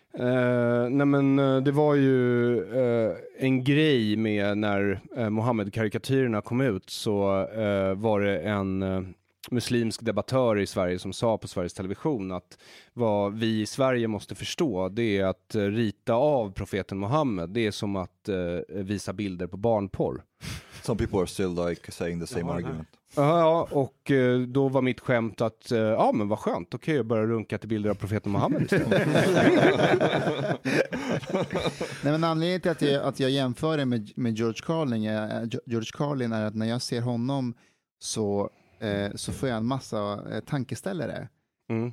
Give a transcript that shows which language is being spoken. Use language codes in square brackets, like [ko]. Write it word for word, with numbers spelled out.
[sv] Uh, nej men uh, det var ju uh, en grej med när uh, Mohammed-karikatyrerna kom ut så uh, var det en uh, muslimsk debattör i Sverige som sa på Sveriges Television att vad vi i Sverige måste förstå det är att uh, rita av profeten Mohammed, det är som att uh, visa bilder på barnporr. [en] Some people are still like saying the same Jaha, argument. [sv] Ja, uh, uh, och uh, då var mitt skämt att ja, uh, ah, men vad skönt, okej, okay, jag börjar runka till bilder av profeten Mohammed istället. Nej, men anledningen till att jag, att jag jämför det med, med George Carlin är, George Carlin är att när jag ser honom så, eh, så får jag en massa eh, tankeställare. Mm.